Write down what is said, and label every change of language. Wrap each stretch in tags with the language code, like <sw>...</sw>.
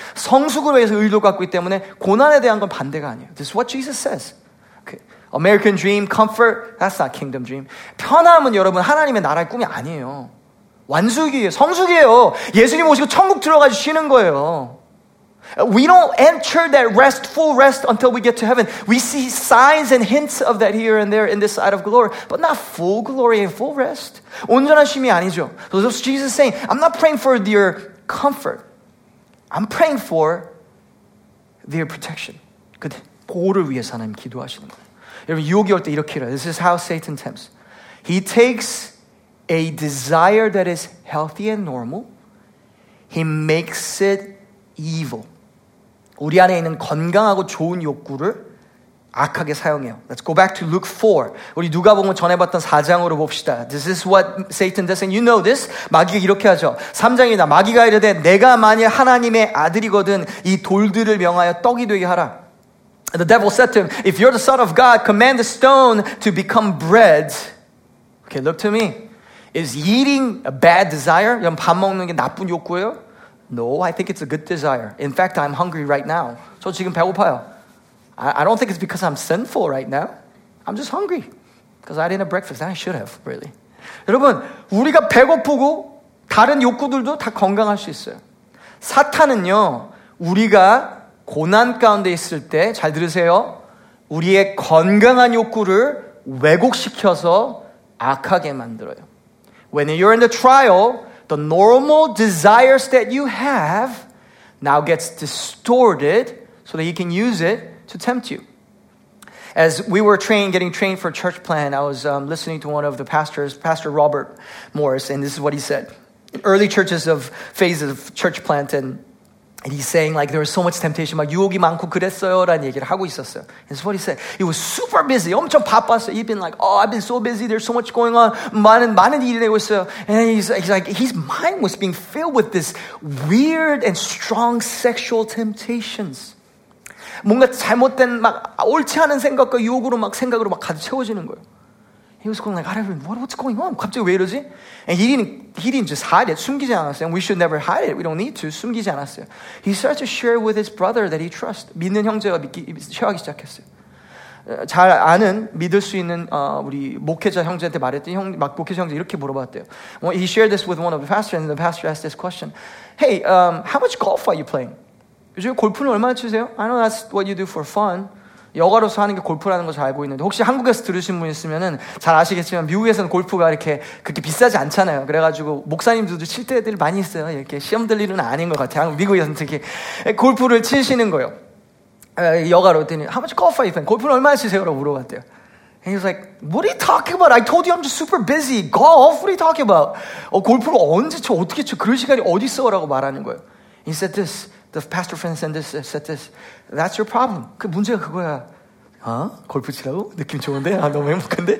<ko>성숙을 위해서 의도 갖고 있기 때문에 고난에 대한 건 반대가 아니에요.</ko> <en>This is what Jesus says. Okay. American dream, comfort, that's not kingdom dream.</en> <ko>편함은 여러분 하나님의 나라의 꿈이 아니에요. 완숙이에요. 성숙이에요. 예수님 오시고 천국 들어가서 쉬는 거예요.</ko> <en>We don't enter that rest, full rest until we get to heaven. We see signs and hints of that here and there in this side of glory, but not full glory and full rest.</en> <ko>온전한 쉼이 아니죠.</ko> <en>So this is Jesus saying, I'm not praying for your comfort. I'm praying for their protection.</en> <ko>그 보호를 위해서 하나님 기도하시는 거예요. 여러분 유혹이 올 때 이렇게 해요.</ko> <en>This is how Satan tempts. He takes a desire that is healthy and normal. He makes it evil.</en> <ko>우리 안에 있는 건강하고 좋은 욕구를 악하게 사용해요.</ko> <en>Let's go back to Luke 4.</en> <ko>우리 누가복음 전에 봤던 4장으로 봅시다.</ko> <en>This is what Satan does, and you know this.</en> <ko>마귀가 이렇게 하죠. 3장입니다. 마귀가 이르되 내가 만일 하나님의 아들이거든 이 돌들을 명하여 떡이 되게 하라.</ko> <en>The devil said to him, if you're the son of God, command the stone to become bread. Okay, look to me. Is eating a bad desire?</en> <ko>그럼 밥 먹는 게 나쁜 욕구예요?</ko> <en>No, I think it's a good desire. In fact, I'm hungry right now.</en> <ko>저 지금 배고파요.</ko> <en>I don't think it's because I'm sinful right now. I'm just hungry. Because I didn't have breakfast. I should have, really.</en> <ko>여러분, 우리가 배고프고 다른 욕구들도 다 건강할 수 있어요. 사탄은요, 우리가 고난 가운데 있을 때, 잘 들으세요. 우리의 건강한 욕구를 왜곡시켜서 악하게 만들어요.</ko> <en>When you're in the trial, the normal desires that you have now gets distorted so that you can use it to tempt you. As we were getting trained for church plan, I was listening to one of the pastors, Pastor Robert Morris, and this is what he said. In early churches of phases of church plant, and he's saying like there was so much temptation,</en> <ko>막 유혹이 많고 그랬어요라는 얘기를 하고 있었어요.</ko> <en>And this is what he said. He was super busy,</en> <ko>엄청 바빴어요.</ko> <en>He'd been like, oh, I've been so busy. There's so much going on.</en> <ko>많은 일이 되고 있어요.</ko> <en>And he's like, his mind was being filled with this weird and strong sexual temptations.</en> <ko>뭔가 잘못된 막 옳지 않은 생각과 유혹으로 막 생각으로 막 가득 채워지는 거예요.</ko> <en>He was going like, I don't even, what's going on?</en> <ko>갑자기 왜 이러지?</ko> <en>And he didn't just hide it.</en> <ko>숨기지 않았어요.</ko> <en>And we should never hide it. We don't need to.</en> <ko>숨기지 않았어요.</ko> <en>He started to share with his brother that he trusts.</en> <ko>믿는 형제가 share하기 시작했어요. 잘 아는, 믿을 수 있는 우리 목회자 형제한테 말했더니 목회자 형제 이렇게 물어봤대요.</ko> <en>Well, he shared this with one of the pastors, and the pastor asked this question. Hey, how much golf are you playing?</en> <ko>요즘 골프는 얼마나 치세요?</ko> <en>I know that's what you do for fun.</en> <ko>여가로서 하는 게 골프라는 거 잘 알고 있는데 혹시 한국에서 들으신 분 있으면은 잘 아시겠지만 미국에서는 골프가 이렇게 그렇게 비싸지 않잖아요. 그래가지고 목사님들도 칠 때들 많이 있어요. 이렇게 시험 들 일은 아닌 것 같아요. 한국, 미국에서는 특히 골프를 치시는 거예요. 여가로 했더니</ko> <en>How much golf are you playing?</en> <ko>골프는 얼마나 치세요? 라고 물어봤대요.</ko> <en>And he was like, What are you talking about? I told you I'm just super busy. Golf? What are you talking about?</en> <ko>골프를 언제 쳐? 어떻게 쳐? 그럴 시간이 어디 있어? 라고 말하는 거예요.</ko> <en>He said this. The pastor friend said this. That's your problem.</en> <ko>그 문제가 그거야. 골프 치라고? 느낌 좋은데? 너무 행복한데?</ko>